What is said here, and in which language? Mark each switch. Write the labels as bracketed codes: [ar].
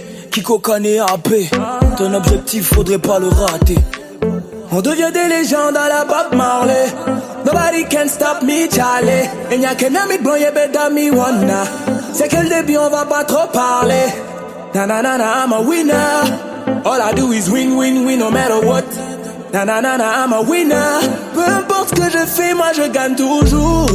[fr] Kiko Kane AP. Ton objectif faudrait pas le rater. On devient des légendes à la Bob Marley. [en] Nobody can stop me, Charlie. [fr] Et n'y a qu'un ami blanc, y'a [en] better me wanna. [fr] C'est que le début, on va pas trop parler. [en] Na na na na, I'm a winner. All I do is win, win, win, no matter what. Na na na na, I'm a winner. [fr] Peu importe ce que je fais, moi je gagne toujours.